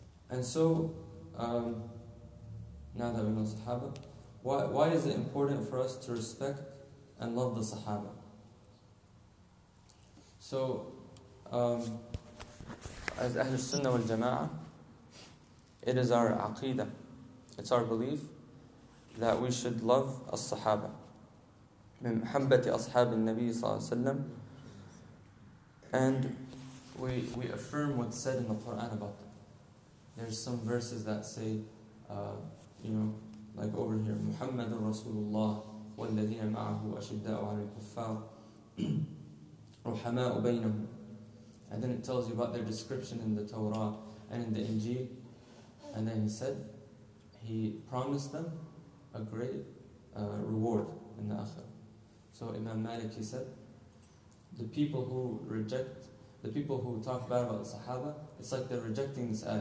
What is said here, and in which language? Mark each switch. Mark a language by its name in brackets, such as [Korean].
[English] And so, now that we know Sahaba, why is it important for us to respect and love the Sahaba? So, as Ahlul Sunnah wal Jama'ah, it is our aqeedah, it's our belief that we should love as-sahaba. [Arabic] من محبة أصحاب النبي صلى الله عليه وسلم. [English] And we affirm what's said in the Quran about them. There's some verses that say, like over here, [Arabic] محمد رسول الله والذين معه أشداء على الكفار رحماء بينهم. [English] And then it tells you about their description in the Torah and in the Injil. And then he promised them a great reward in the Akhirah. So Imam Malik, he said, the people who talk bad about the Sahaba, it's like they're rejecting this ayah.